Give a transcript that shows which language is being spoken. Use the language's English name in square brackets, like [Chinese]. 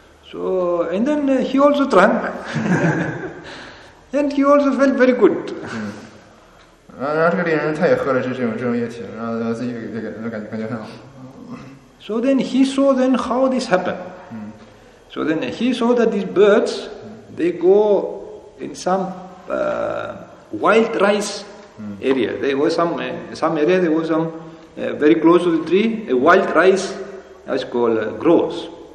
[English] So and then he also drank, and he also felt very good. [Chinese] 然后这个猎人他也喝了这种液体，然后自己感觉很好。 [English] So then he saw then how this happened.、 Mm. So then he saw that these birds, they go in some、wild rice、 mm. area. There was some area, there was some、very close to the tree, a wild rice, that's called、grows.